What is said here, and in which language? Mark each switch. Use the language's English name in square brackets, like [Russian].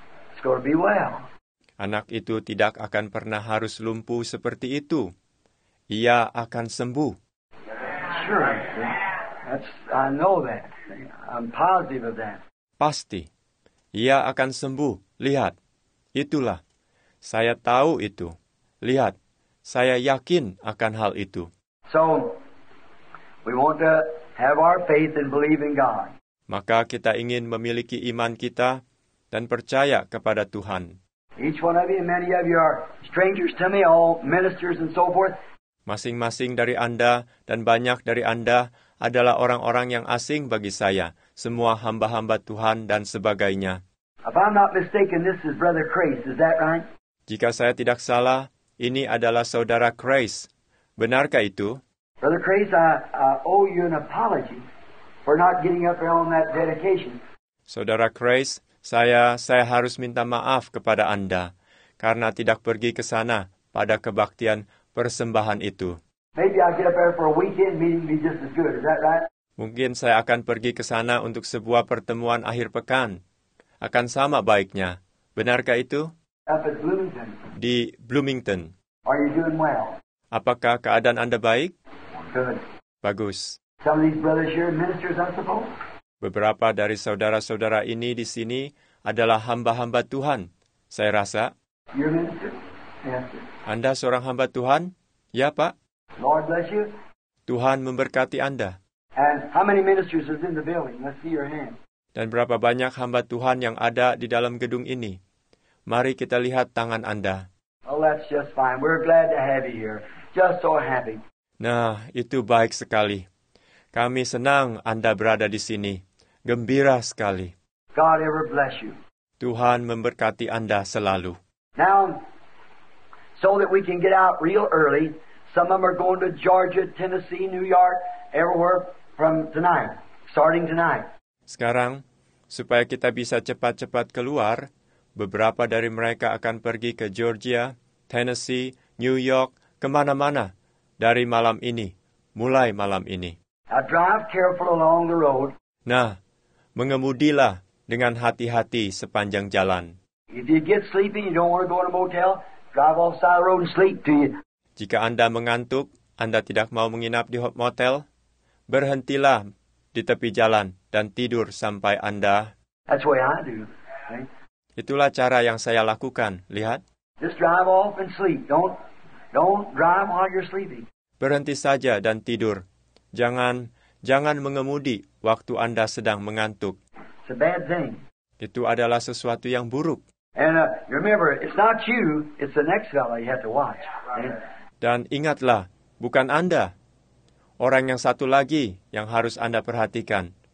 [English] It's going to be well. [Indonesian] Anak itu tidak akan pernah harus lumpuh seperti itu. Ia akan sembuh. [English] Sure. I know that. I'm positive of that. [Indonesian] Pasti. Ia akan sembuh. Lihat. Itulah. Saya tahu itu. Lihat. Saya yakin akan hal itu. [English] So, we want to have our faith and believe in God. [Indonesian] Maka kita ingin memiliki iman kita dan percaya kepada Tuhan. [English] Each one of you, many of you are strangers to me, all ministers and so forth. [Indonesian] Masing-masing dari Anda dan banyak dari Anda adalah orang-orang yang asing bagi saya, semua hamba-hamba Tuhan dan sebagainya. [English] If I'm not mistaken, this is Brother Crace, is that right? [Indonesian] Jika saya tidak salah, ini adalah Saudara Crace. Benarkah itu? [English] Brother Crace, I owe you an apology for not getting up on that dedication. [Indonesian] Saudara Crace, saya harus minta maaf kepada Anda karena tidak pergi ke sana pada kebaktian persembahan itu. [English] Maybe I'll get up there for a weekend meeting, be just as good. Is that right? [Indonesian] Mungkin saya akan pergi ke sana untuk sebuah pertemuan akhir pekan. Akan sama baiknya. Benarkah itu? [English] Up at Bloomington. [Indonesian] Di Bloomington. [English] Are you doing well? [Indonesian] Apakah keadaan Anda baik? [English] Good. [Indonesian] Bagus. [English] Some of these brothers here are ministers, I suppose. [Indonesian] Beberapa dari saudara-saudara ini di sini adalah hamba-hamba Tuhan, saya rasa. [English] Your minister? Yes, sir. [Indonesian] Anda seorang hamba Tuhan? Ya, Pak. [English] Lord bless you. [Indonesian] Tuhan memberkati Anda. [English] And how many ministers is in the building? Let's see your hand. [Indonesian] Dan berapa banyak hamba Tuhan yang ada di dalam gedung ini? Mari kita lihat tangan Anda. [English] Oh, that's just fine. We're glad to have you here. Just so happy. [Indonesian] Nah, itu baik sekali. Kami senang Anda berada di sini. Gembira sekali. [English] God ever bless you. [Indonesian] Tuhan memberkati Anda selalu. [English] Now, so that we can get out real early, some of them are going to Georgia, Tennessee, New York, everywhere from tonight, starting tonight. [Indonesian] Sekarang, supaya kita bisa cepat-cepat keluar, beberapa dari mereka akan pergi ke Georgia, Tennessee, New York, kemana-mana dari malam ini, mulai malam ini. [English] Now drive careful along the road. [Indonesian] Nah, mengemudilah dengan hati-hati sepanjang jalan. [English] If you get sleepy, you don't want to go to a motel, drive off side of the road and sleep to you. [Indonesian] Jika Anda mengantuk, Anda tidak mau menginap di motel, berhentilah di tepi jalan dan tidur sampai Anda. [English] That's what I do. [Indonesian] Itulah cara yang saya lakukan. Lihat. [English] Just drive off and sleep. Don't drive while you're sleeping. [Indonesian] Berhenti saja dan tidur. Jangan mengemudi waktu Anda sedang mengantuk. [English] It's a bad thing. [Indonesian] Itu adalah sesuatu yang buruk. [English] And remember, it's not you, it's the next fellow you have to watch. [Indonesian] Dan ingatlah, bukan Anda. Orang yang satu lagi yang harus Anda perhatikan.